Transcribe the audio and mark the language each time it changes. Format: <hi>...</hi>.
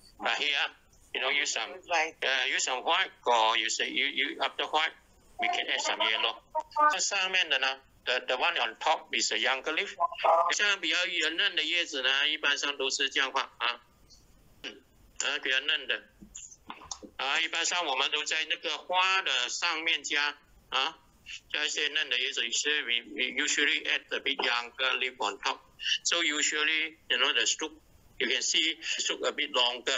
<en>But here, use some white, or you say you after white, we can add some yellow.</en> <zh>这上面的呢？</zh> <en>The one on top is a younger leaf.</en> <zh>像比较圆嫩的叶子呢，一般上都是这样画比较嫩的一般上我们都在那个花的上面加一些嫩的叶子。</zh> <en>So we usually add a bit younger leaf on top. So usually, the stook, you can see stook a bit longer.</en>